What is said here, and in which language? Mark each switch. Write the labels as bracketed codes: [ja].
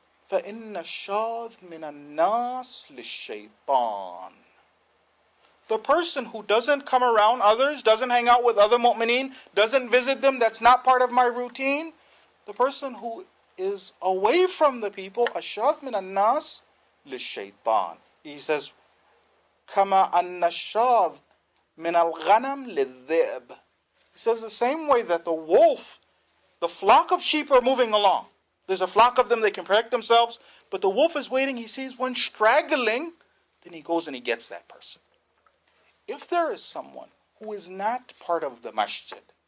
[ar] فَإِنَّ الشَّاذ مِنَ النَّاسِ لِلشَّيْطَانِ. [en] The person who doesn't come around others, doesn't hang out with other mu'mineen, doesn't visit them, that's not part of my routine. The person who is away from the people, [ar] أَشَّاذْ مِنَ النَّاسِ لِلشَّيْطَانِ. [en] He says, [ar] كَمَا أَنَّشَّاذْ مِنَ الْغَنَمْ لِلذِّئْبِ. [en] He says the same way that the wolf, the flock of sheep are moving along. There's a flock of them, they can protect themselves. But the wolf is waiting, he sees one straggling, then he goes and he gets that person. If there is someone who is not part of the masjid,